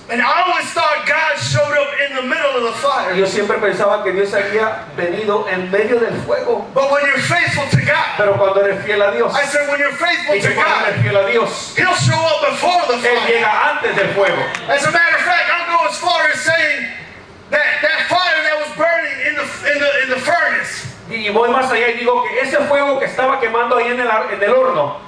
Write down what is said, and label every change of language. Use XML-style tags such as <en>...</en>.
<en>And I always thought God showed up in the middle of the fire.</en> <es>Yo siempre pensaba que Dios había venido en medio del fuego.</es> <en>But when you're faithful to God,</en> <es>pero cuando eres fiel a Dios,</es> <en>I said when you're faithful to God,</en> <es>eres fiel a Dios,</es> <en>He'll show up before the fire.</en> <es>Él llega antes del fuego.</es> <en>As a matter of fact, I'll go as far as saying that that fire that was burning in the furnace.</en> <es>Y voy más allá y digo que ese fuego que estaba quemando ahí en el horno,</es>